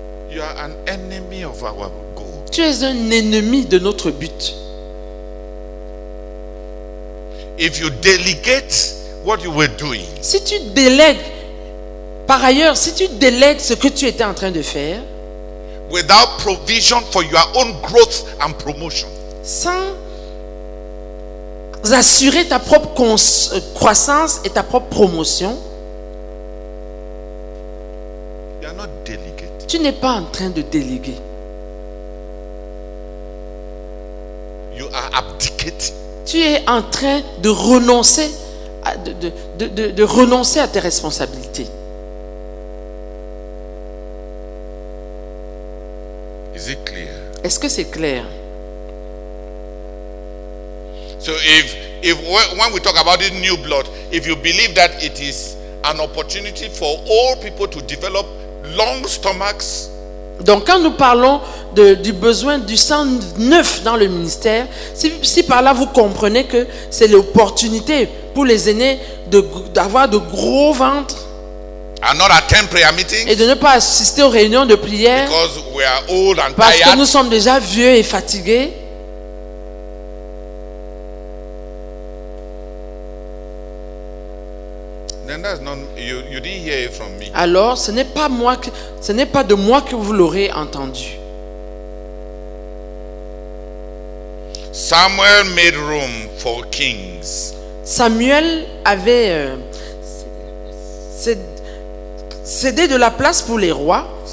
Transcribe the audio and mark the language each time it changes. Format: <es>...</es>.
<en>you are an enemy of our goal.</en> <fr>Tu es un ennemi de notre but.</fr> <en>If you delegate what you were doing,</en> <fr>si tu délègues, par ailleurs, si tu délègues ce que tu étais en train de faire,</fr> <en>without provision for your own growth and promotion,</en> <fr>sans assurer ta propre croissance et ta propre promotion,</fr> <en>you are not delegated.</en> <fr>Tu n'es pas en train de déléguer.</fr> <en>You are abdicating.</en> <fr>Tu es en train de renoncer à tes responsabilités.</fr> <en>Is it clear?</en> <fr>Est-ce que c'est clair?</fr> <en>So if when we talk about this new blood, if you believe that it is an opportunity for all people to develop long stomachs.</en> <fr>Donc quand nous parlons du besoin du sang neuf dans le ministère, si par là vous comprenez que c'est l'opportunité pour les aînés d'avoir de gros ventres.</fr> <en>And not attend prayer meetings.</en> <fr>Et de ne pas assister aux réunions de prière.</fr> <en>Because we are old and</en> <fr>parce</fr> <en>tired.</en> <fr>Que nous sommes déjà vieux et fatigués.</fr> <en>Then that's not you didn't hear it from me.</en> <fr>Alors, ce n'est pas de moi que vous l'aurez entendu.</fr> <en>Samuel made room for kings.</en> <fr>Samuel avait cédé de la place pour les rois.</fr>